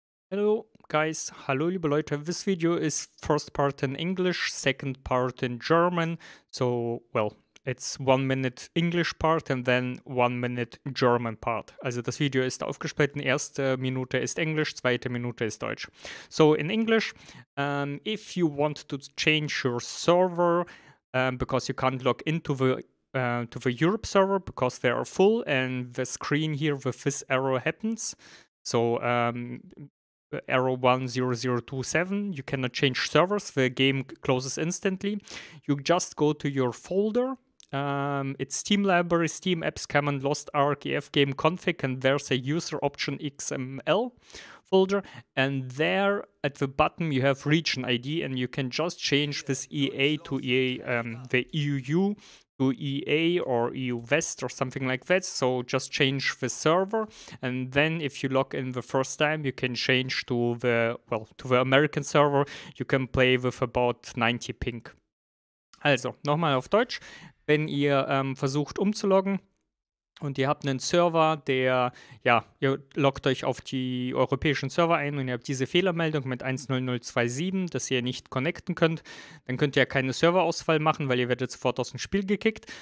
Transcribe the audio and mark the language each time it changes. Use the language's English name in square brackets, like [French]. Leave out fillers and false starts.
[English] Hello guys, [German] hallo liebe Leute, [English] this video is first part in English, second part in German, so, well, it's 1 minute English part and then 1 minute German part. [German] Also das Video ist aufgespalten, erste Minute ist Englisch, zweite Minute ist Deutsch. [English] So in English, if you want to change your server, because you can't log into the Europe server because they are full and the screen here with this arrow happens, so arrow 10027, you cannot change servers, the game closes instantly. You just go to your folder, it's SteamLibrary, SteamApps, Common, Lost Arc, EFGame, Config, and there's a UserOption.xml folder, and there at the bottom you have RegionID, and you can just change this EA to EA, the EU to EA or EU West or something like that. So just change the server, and then if you log in the first time, you can change to the, well, to the American server. You can play with about 90 ping. [German] Also, nochmal auf Deutsch. Wenn ihr versucht umzuloggen und ihr habt einen Server, der, ja, ihr loggt euch auf die europäischen Server ein und ihr habt diese Fehlermeldung mit 10027, dass ihr nicht connecten könnt, dann könnt ihr ja keinen Serverausfall machen, weil ihr werdet sofort aus dem Spiel gekickt.